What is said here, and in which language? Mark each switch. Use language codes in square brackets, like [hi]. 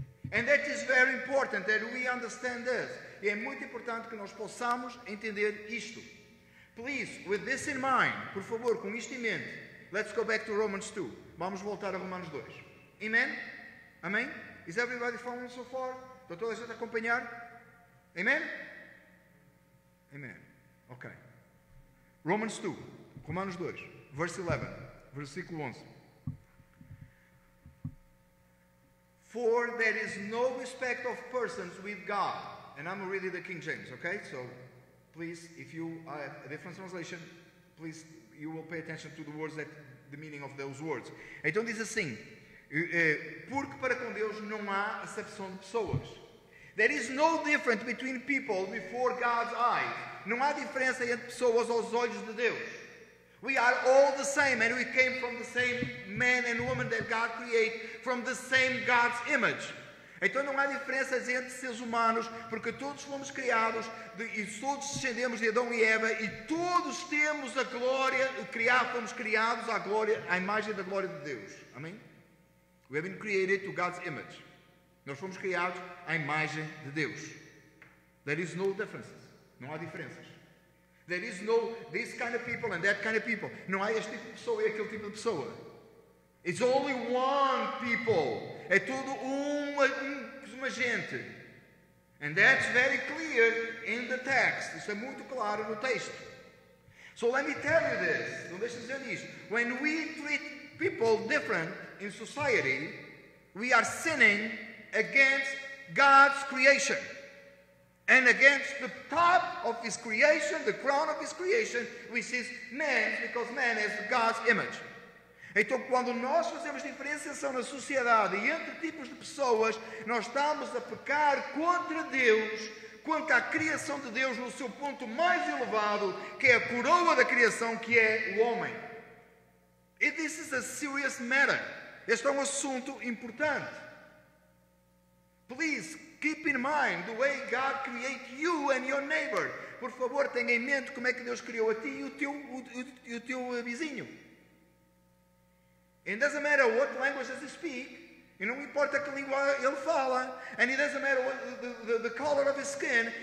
[en] And that is very important that we understand this. [pt] E é muito importante que nós possamos entender isto. [en] Please, with this in mind, [pt] por favor, com isto em mente, [en] let's go back to Romans 2. [pt] Vamos voltar a Romanos 2. Amen? Amém? [en] Is everybody following so far? [pt] Está toda a gente a acompanhar? Amém? Amém. Ok. [en] Romans 2. [pt] Romanos 2. [en] Verse 11. [pt] Versículo 11. [en] For there is no respect of persons with God. And I'm reading the King James, ok? So, please, if you have a different translation, please, you will pay attention to the words that, the meaning of those words. [pt] Então diz assim, porque para com Deus não há acepção de pessoas. [en] There is no difference between people before God's eyes. [pt] Não há diferença entre pessoas aos olhos de Deus. [en] We are all the same and we came from the same man and woman that God created from the same God's image. [pt] Então não há diferenças entre seres humanos, porque todos fomos criados e todos descendemos de Adão e Eva e todos temos a glória, fomos criados à glória, à imagem da glória de Deus. [en] Amém? We have been created to God's image. [pt] Nós fomos criados à imagem de Deus. [en] There is no differences. [pt] Não há diferenças. [en] There is no this kind of people and that kind of people. [pt] Não há este tipo de pessoa e aquele tipo de pessoa. [en] It's only one people. [pt] É tudo uma gente. [en] And that's very clear in the text. [pt] Isso é muito claro no texto. [en] So let me tell you this. [pt] Não deixe de dizer isto. [en] When we treat people different in society, we are sinning against God's creation and against the top of his creation, the crown of his creation, which is man, because man is God's image. [pt] Então quando nós fazemos diferenciação na sociedade e entre tipos de pessoas, nós estamos a pecar contra Deus, contra a criação de Deus no seu ponto mais elevado, que é a coroa da criação, que é o homem. [en] And this is a serious matter. [pt] Este é um assunto importante. [en] Please, keep in mind the way God created you and your neighbor. [pt] Por favor, tenha em mente como é que Deus criou a ti e o teu vizinho. [en] And it doesn't matter what language does he speak. [pt] E não importa que língua ele fala. [en] And it doesn't matter the color of his skin.